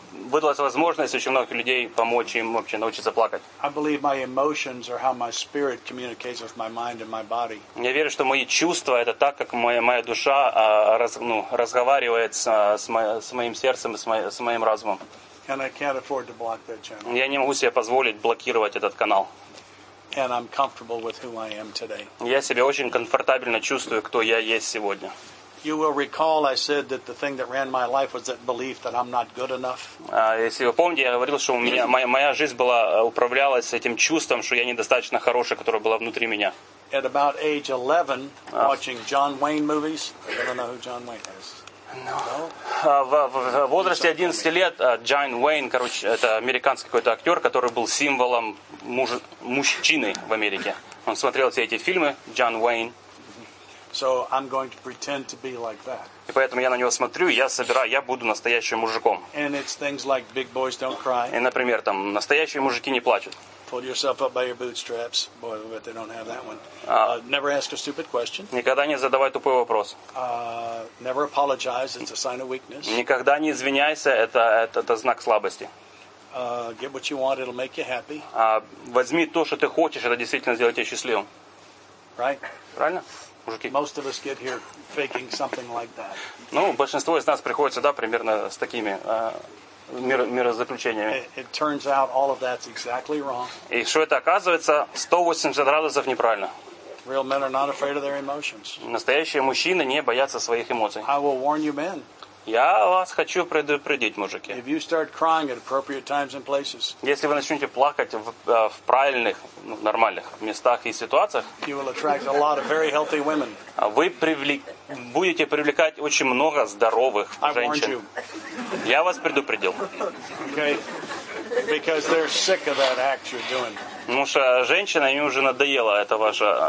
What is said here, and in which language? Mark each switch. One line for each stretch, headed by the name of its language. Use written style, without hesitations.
Russian: Выдалась возможность очень многих людей помочь им вообще научиться плакать.
English: I believe my emotions are how my spirit communicates with my mind and my body.
Russian: Я верю, что мои чувства это так, как моя душа разговаривает с моим сердцем и с моим разумом.
English: And I can't afford to block that channel.
Russian: Я не могу себе позволить блокировать этот канал.
English: And I'm comfortable with who I am today.
Russian: Я себя очень комфортабельно чувствую, кто я есть сегодня.
English: You will recall I said that the thing that ran my life was that belief that I'm not good enough.
Russian: Если вы помните, я говорил, что у меня моя жизнь была управлялась этим чувством, что я недостаточно хороший, которое было внутри меня.
English: At about age 11, watching John Wayne movies. I don't know who John Wayne is.
Russian: В возрасте 11 лет Джон Уэйн, короче, это американский какой-то актер, который был символом мужчины в Америке. Он смотрел все эти фильмы, Джон Уэйн.
English: So I'm going to pretend to be like that.
Russian: И поэтому я на него смотрю, я буду настоящим мужиком.
English: And it's things like big boys don't cry.
Russian: И, например, там настоящие мужики не плачут.
English: Pull yourself up by your bootstraps, boy, but they don't have that one. Never ask a stupid question.
Russian: Никогда не задавай тупой вопрос.
English: Never apologize, it's a sign of weakness.
Russian: Никогда не извиняйся, это знак слабости.
English: Get what you want, it'll make you happy.
Russian: Возьми то, что ты хочешь, это действительно сделает тебя счастливым.
English: Right?
Russian: Правильно? Мужики.
English: Most of us get here faking something like that.
Russian: Ну, большинство из нас приходит сюда примерно с такими мирозаключениями.
English: It turns out all of that's exactly wrong.
Russian: И что это оказывается, 180 градусов неправильно.
English: Real men are not afraid of their emotions.
Russian: Настоящие мужчины не боятся своих эмоций.
English: I will warn you, men.
Russian: Я вас хочу предупредить, мужики.
English: If you start crying at appropriate times and places,
Russian: если вы начнете плакать в правильных, нормальных местах и ситуациях,
English: you will attract a lot of very healthy women.
Russian: Вы будете привлекать очень много здоровых женщин.
English: I warned you.
Russian: Я вас предупредил.
English: Okay. Because they're sick of that act you're doing.
Russian: Потому что женщина, им уже надоело это ваше...